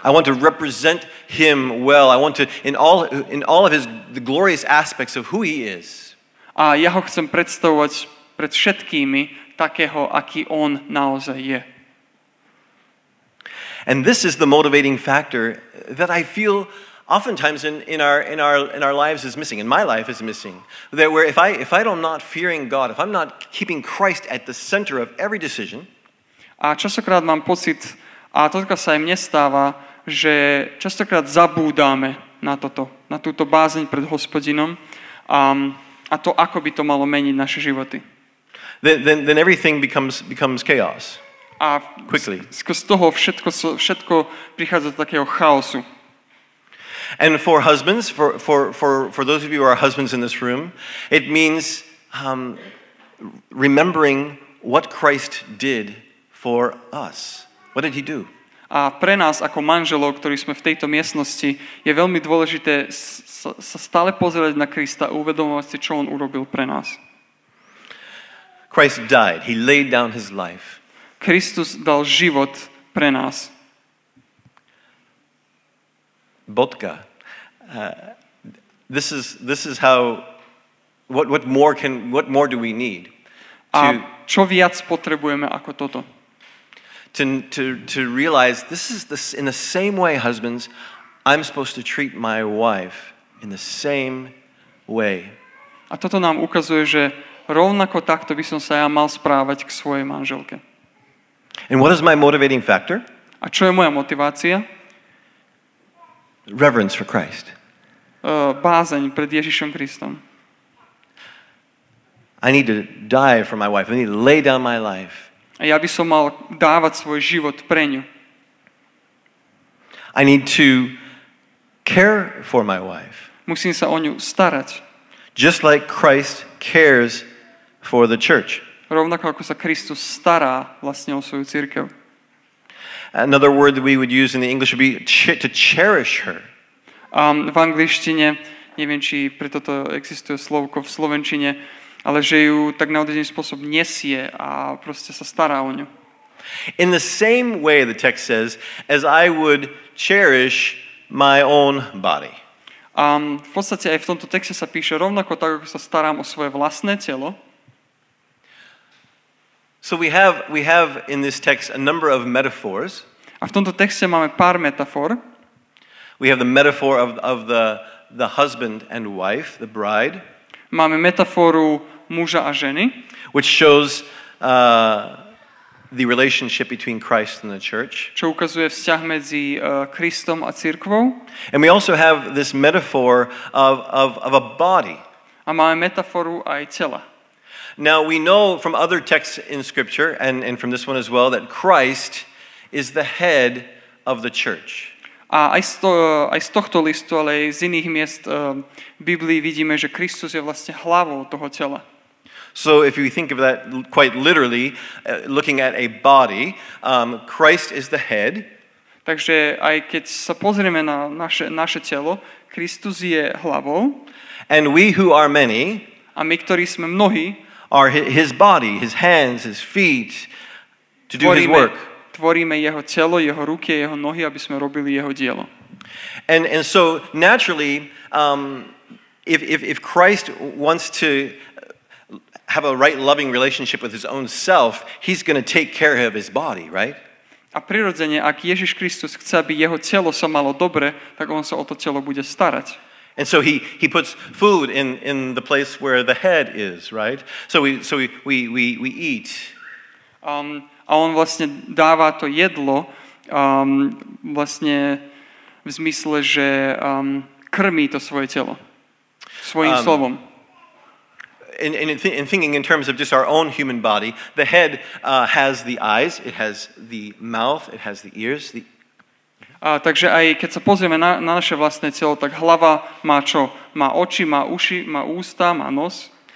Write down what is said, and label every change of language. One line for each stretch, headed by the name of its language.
English: I want to represent him well. I want to in all of his the glorious aspects of who he is.
Slovak: A ja ho chcem predstavovať pred všetkými takého, aký on naozaj je.
English: And this is the motivating factor that I feel oftentimes in our lives is missing, in my life is missing, that where if I'm not fearing God, if I'm not keeping Christ at the center of every decision.
Slovak: A častokrát mám pocit, a toto sa aj mne stáva, že častokrát zabúdame na toto, na túto bázeň pred Hospodinom a to, ako by to malo meniť naše životy.
English: Then everything becomes chaos. a quickly.
Slovak: Skrz toho všetko prichádza do takého chaosu.
English: And for husbands, for those of you who are husbands in this room, it means remembering what Christ did for us. What did he do?
Slovak: A pre nás ako manželov, ktorí sme v tejto miestnosti, je veľmi dôležité sa stále pozerať na Krista a uvedomovať si, čo on urobil pre nás.
English: Christ died. He laid down his life.
Slovak: Kristus dal život pre nás. Bodka.
English: This is how what more do we need?
Slovak: A čo viac potrebujeme ako toto?
English: To realize this is this in the same way, husbands, I'm supposed to treat my wife in the same way.
Slovak: A toto nám ukazuje, že rovnako takto by som sa ja mal správať k svojej manželke.
English: And what is my motivating factor?
Slovak: A čo je moja motivácia?
English: Reverence for Christ.
Slovak: Bázeň pred Ježišom Kristom.
English: I need to die for my wife. I need to lay down my life.
Slovak: A ja by som mal dávať svoj život pre ňu.
English: I need to care for my wife.
Slovak: Musím sa o ňu starať.
English: Just like Christ cares for the church.
Slovak: Rovnako ako sa Kristus stará vlastne o svoju cirkev.
English: Another word that we would use in the English would be to cherish her.
Slovak: V angličtine, neviem, či pre toto existuje slovko v slovenčine, ale že ju tak na odrezený spôsob nesie a proste sa stará o ňu.
English: In the same way, the text says, as I would cherish my own body.
Slovak: V podstate aj v tomto texte sa píše rovnako tak, ako sa starám o svoje vlastné telo.
English: So we have in this text a number of metaphors.
Slovak: A v tomto texte máme pár metafor.
English: We have the metaphor of the husband and wife, the bride.
Slovak: Máme metaforu muža a ženy,
English: which shows the relationship between Christ and the church.
Slovak: Čo ukazuje vzťah medzi Kristom a cirkvou.
English: And we also have this metaphor of a body.
Slovak: A máme metaforu aj tela.
English: Now we know from other texts in scripture and from this one as well that Christ is the head of the church.
Slovak: A aj z tohto listu, ale aj z iných miest Biblii vidíme, že Kristus je vlastne hlavou toho tela.
English: So if you think of that quite literally, looking at a body, Christ is the head.
Slovak: Takže aj keď sa pozrieme na naše telo, Kristus je hlavou.
English: And we who are many,
Slovak: a my, ktorí sme mnohí,
English: are his body, his hands, his feet, to do his work.
Slovak: Tvoríme jeho telo, jeho ruky, jeho nohy, aby sme robili jeho dielo.
English: And so naturally, if Christ wants to have a right loving relationship with his own self, he's going to take care of his body, right?
Slovak: A prirodzene, ak Ježiš Kristus chce, aby jeho telo sa malo dobre, tak on sa o to telo bude starať.
English: And so he puts food in the place where the head is, right? So we eat.
Slovak: A on vlastne dáva to jedlo, vlastne v zmysle, že krmí to svoje telo svojím slovom.
English: In thinking in terms of just our own human body, the head has the eyes, it has the mouth, it has the ears, the
Slovak: Takže aj keď sa pozrieme na naše vlastné telo, tak hlava má čo? Má oči, má uši, má ústa, má nos.